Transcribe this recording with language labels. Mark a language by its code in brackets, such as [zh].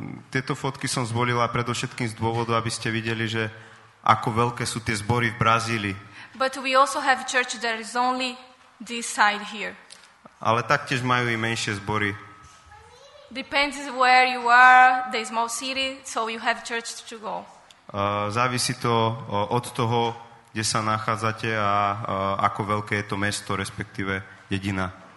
[sk] Tieto fotky som zvolila predovšetkým z dôvodu, aby ste videli, že ako veľké sú tie zbory v Brazílii. [en] But we also have a church that is only this side here. [sk] Ale taktiež majú i menšie zbory. [en] Depends where you are, the small city, so you have church to go. [sk] Závisí to od toho, kde sa nachádzate a ako veľké je to mesto, respektíve dedina.